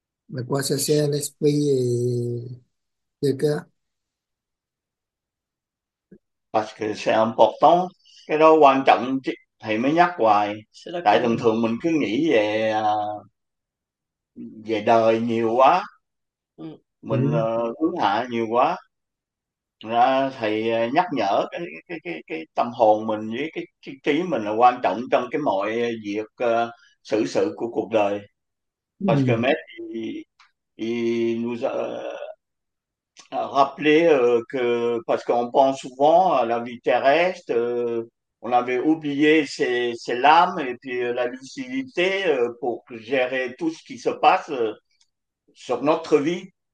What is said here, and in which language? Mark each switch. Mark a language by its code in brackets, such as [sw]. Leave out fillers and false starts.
[fr] Mais quoi ça sert l'esprit et le cœur? Parce que c'est important, [vi] cái đó quan trọng thì mới nhắc hoài. [fr] C'est la [vi] Tại thường [fr] clé. [vi] thường mình cứ nghĩ về về đời nhiều quá, mình hướng hạ nhiều quá, ra thầy nhắc nhở cái tâm hồn mình với cái trí mình là quan trọng trong cái mọi việc xử sự của cuộc đời. [fr] Parce que [vi] mẹ thì [fr] nous rappeler que parce qu'on pense souvent à la vie terrestre, on avait oublié c'est l'âme et puis la lucidité pour gérer tout ce qui se passe sur notre vie.